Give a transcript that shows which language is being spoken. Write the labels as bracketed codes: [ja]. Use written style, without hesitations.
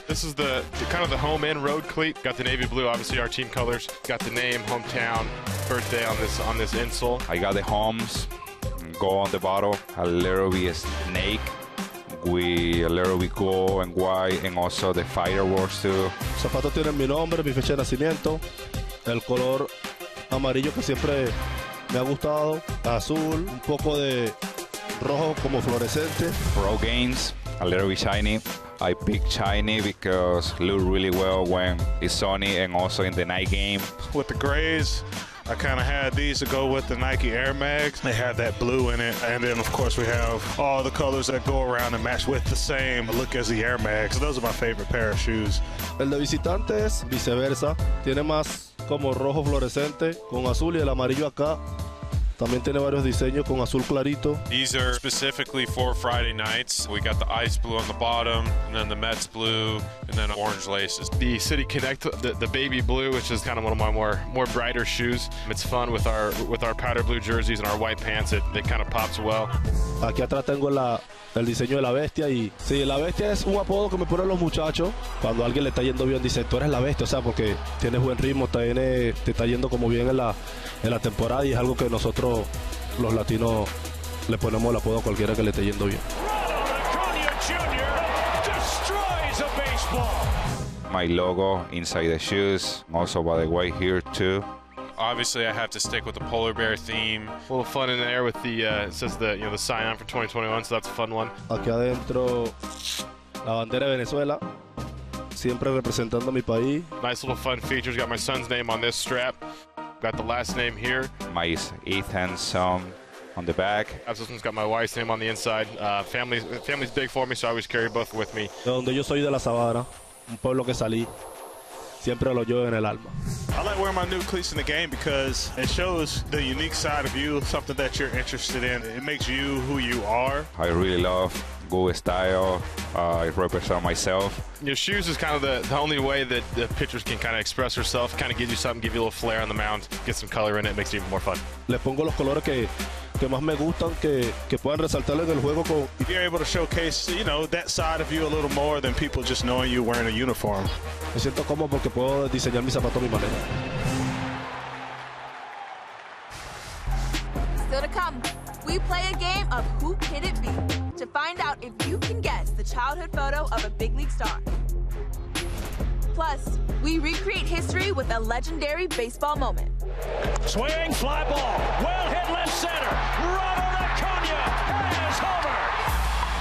[en] This is the kind of the home and road cleat. Got the navy blue, obviously our team colors. Got the name, hometown, birthday on this insole. I got the homes, go on the bottle, a little bit of snake. We a little bit gold and white, and also the fireworks too. [es] Zapatos tienen mi nombre, mi fecha de nacimiento, el color amarillo que siempre me ha gustado, azul, un poco de rojo como fluorescente. [en] Pro Gains, a little bit shiny. I pick shiny because look really well when it's sunny and also in the night game. With the grays, I kind of had these to go with the Nike Air Max. They have that blue in it. And then, of course, we have all the colors that go around and match with the same look as the Air Max. So those are my favorite pair of shoes. [es] El de visitante es viceversa. Tiene más como rojo fluorescente con azul y el amarillo acá. También tiene varios diseños con azul clarito. [en] These are specifically for Friday nights. We got the ice blue on the bottom, and then the Mets blue, and then orange laces. The City Connect, the baby blue, which is kind of one of my more brighter shoes. It's fun with our powder blue jerseys and our white pants. It kind of pops well. [es] Aquí atrás tengo el diseño de la bestia. Y sí, la bestia es un apodo que me ponen los muchachos. Cuando alguien le está yendo bien, dice, tú eres la bestia. O sea, porque tienes buen ritmo, te está yendo como bien en la temporada. Y es algo que nosotros, los latinos, le ponemos el apodo a cualquiera que le esté yendo bien. [en] Ronald Acuña Jr. destroys a baseball. My logo inside the shoes. Also, by the way, here too. Obviously, I have to stick with the polar bear theme. A little fun in there with the sign-on for 2021, so that's a fun one. [es] Aquí adentro, la bandera de Venezuela, siempre representando mi país. [en] Nice little fun features. Got my son's name on this strap. Got the last name here. My Ethan's son on the back. This one's got my wife's name on the inside. Family's big for me, so I always carry both with me. [es] De donde yo soy de la Sabana, un pueblo que salí. Siempre lo llevo en el alma. [en] I like wearing my new cleats in the game because it shows the unique side of you, something that you're interested in. It makes you who you are. I really love good style. I represent myself. Your shoes is kind of the only way that the pitchers can kind of express herself, kind of give you something, give you a little flair on the mound, get some color in it, makes it even more fun. [es] Le pongo los colores que más me gustan, que puedan resaltar en el juego. [en] You're able to showcase, you know, that side of you a little more than people just knowing you wearing a uniform. [es] Me siento cómodo porque puedo diseñar mis zapatos a mi manera. [en] Still to come, we play a game of Who Could It Be to find out if you can guess the childhood photo of a big league star. Plus, we recreate history with a legendary baseball moment. Swing, fly ball, well hit left center. Ronald Acuña has homer.